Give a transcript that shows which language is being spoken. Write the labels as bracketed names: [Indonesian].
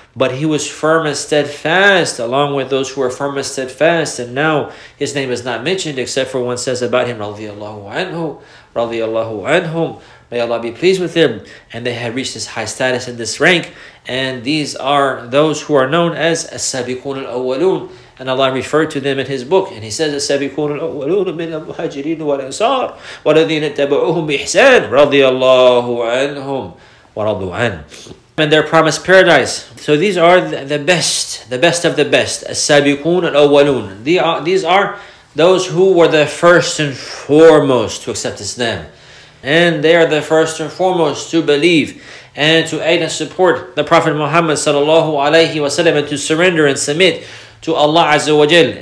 [English] But he was firm and steadfast along with those who were firm and steadfast, and now his name is not mentioned except for one says about him, radiallahu anhu, radiallahu anhum. May Allah be pleased with him, and they had reached this high status and this rank, and these are those who are known as as-sabiqun al-awwalun. And Allah referred to them in His book, and He says, [Arabic] "السابقون الأولون من المهاجرين والأنصار والذين تبعوهم بإحسان رضي الله عنهم ورضوا عنه." [English] And their promised paradise. So these are the best of the best. [Arabic] السابقون الأولون. [English] These are those who were the first and foremost to accept Islam, and they are the first and foremost to believe and to aid and support the Prophet Muhammad sallallahu alaihi wasallam, and to surrender and submit to Allah Azza wa Jal.